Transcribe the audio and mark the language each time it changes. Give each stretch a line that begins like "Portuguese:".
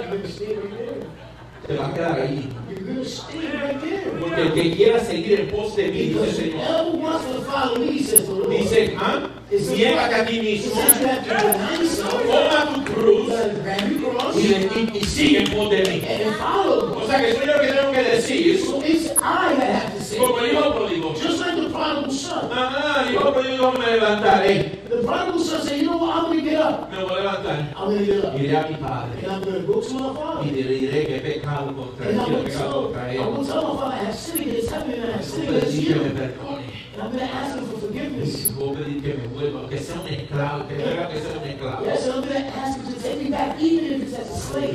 English: You're going to stay right there.
Spanish: Te vas a quedar ahí.
English: You're going to stay right there.
Spanish: Porque el que quiera seguir en pos de mí, dice el Señor.
English: Because whoever wants to follow me, says the Lord.
Spanish: Dice, llévate a ti mismo.
English: He says you have to deny yourself.
Spanish: Toma tu cruz.
English: Grab your cross.
Spanish: Y sigue en pos de mí.
English: And follow me.
Spanish: O sea, que soy yo que tengo que decir.
English: So it's I that have to say.
Spanish: Como el hijo pródigo.
English: Just like the prodigal son.
Spanish: Ah, el hijo pródigo me levantaré.
English: The prodigal son said, you know what, I'm going to get up.
Spanish: Me voy a levantar.
English: I'm going to get up.
Spanish: Iré a mi padre.
English: And I'm going to go to my father.
Spanish: Y diré que he pecado contra él.
English: And I'm going to tell my father, I have sinned against heaven and I have sinned against you.
Spanish: Me perdone.
English: And I'm going to ask him for forgiveness.
Spanish: Y voy a pedir que me vuelva, que sea un esclavo, que tenga que ser un esclavo.
English: Yes, I'm going to ask him to take me back, even if it's as a slave.